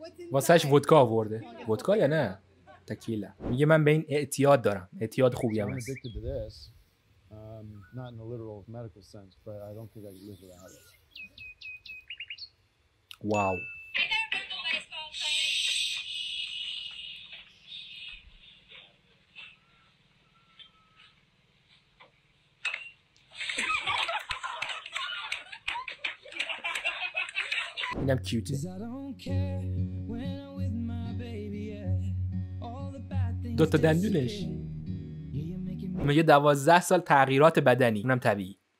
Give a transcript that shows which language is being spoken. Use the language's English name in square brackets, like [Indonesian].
[Persian] واسهش ودکا آورده. ودکا یا نه تکیلا. میگه من به این اعتیاد دارم، اعتیاد خوبی هم هست. [English] Not in the literal medical sense, but I don't think I could live without it. Wow. I'm cute. I don't care when I'm with my baby. All the bad things. [Persian] دوتا دندونش. میگه 12 سال تغییرات بدنی، اونم طبیعی.